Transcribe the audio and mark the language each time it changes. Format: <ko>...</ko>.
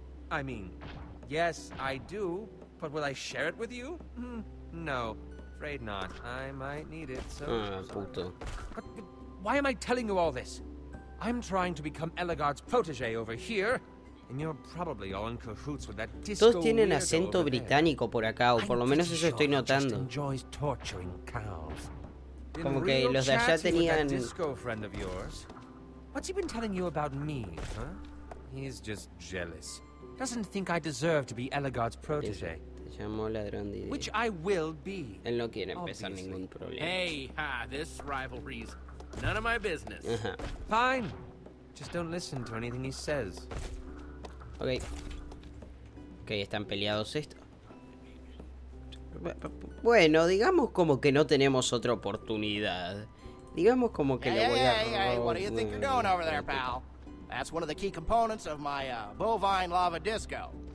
<en>I mean, yes, I do. But will I share it with you? No, afraid not. I might need it. So.</en> <es>Puto.</es> <en>But why am I telling you all this? I'm trying to become Elagard's protege over here, and you're probably all in cahoots with that disco.</en> <es>Todos tienen acento británico por acá, o por lo menos eso estoy notando.</es> <en>Enjoys torturing cows.</en> <es>Como que los de allá tenían.</es> <en>Disco friend of yours. What's he been telling you about me, huh? He's just jealous. Doesn't think I deserve to be Elagard's protege. Which I will be.</en> <es>Él no quiere empezar ningún problema.</es> <en>Hey, ha, this rivalry's none of my business. Uh-huh. Fine. Just don't listen to anything he says.</en> <es>Okay. Okay, están peleados esto. Bueno, digamos como que no tenemos otra oportunidad. Digamos como que</es> <en>hey,</en> <es>lo voy</es> <en>hey,</en> <es>a</es> <en>hey, hey, what do you think you're doing over there, pal? That's one of the key components of my bovine lava disco.</en>